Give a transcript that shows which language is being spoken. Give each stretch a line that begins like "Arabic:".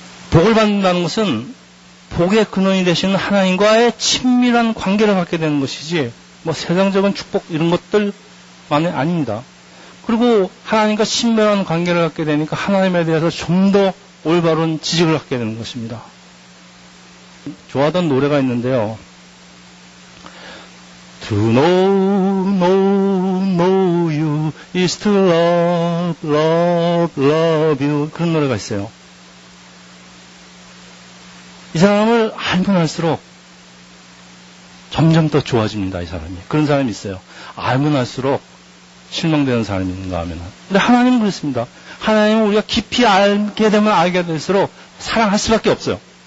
Korean: 복을 받는다는 것은 복의 근원이 되시는 하나님과의 친밀한 관계를 갖게 되는 것이지 뭐 세상적인 축복 이런 것들만은 아닙니다. 그리고 하나님과 친밀한 관계를 갖게 되니까 하나님에 대해서 좀 더 올바른 지식을 갖게 되는 것입니다. 좋아하던 노래가 있는데요.
English: To know, know, know you is to love, love, love you.
Korean: 그런 노래가 있어요. 이 사람을 알면 알수록 점점 더 좋아집니다. 이 사람이. 그런 사람이 있어요. 알면 알수록 실망되는 사람인가 하면. 근데 하나님은 그렇습니다. 하나님은 우리가 깊이 알게 되면 알게 될수록 사랑할 수밖에 없어요.